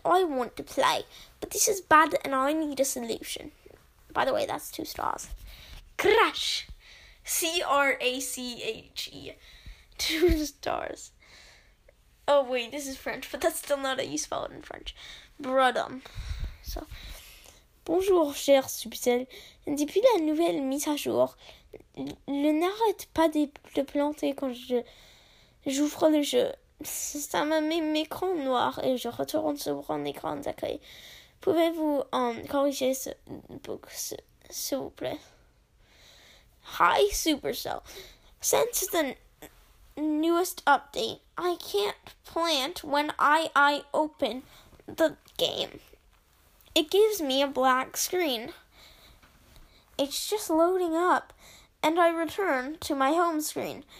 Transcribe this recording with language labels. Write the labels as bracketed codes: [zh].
[en] I want to play, but this is bad and I need a solution. By the way, that's 2 stars. Crash. C-R-A-C-H-E. 2 stars. Oh, wait, this is French, but that's still not how you spell it in French. Brodom. So. [fr] Bonjour, cher Supercell. Depuis la nouvelle mise à jour, je n'arrête pas de planter quand j'ouvre le jeu. Ça me met mes écrans noirs et je retourne sur un écran d'accueil. Pouvez-vous corriger ce bug, s'il vous plaît? [en] Hi, Supercell. Since the newest update, I can't plant when I open the game. It gives me a black screen. It's just loading up, and I return to my home screen.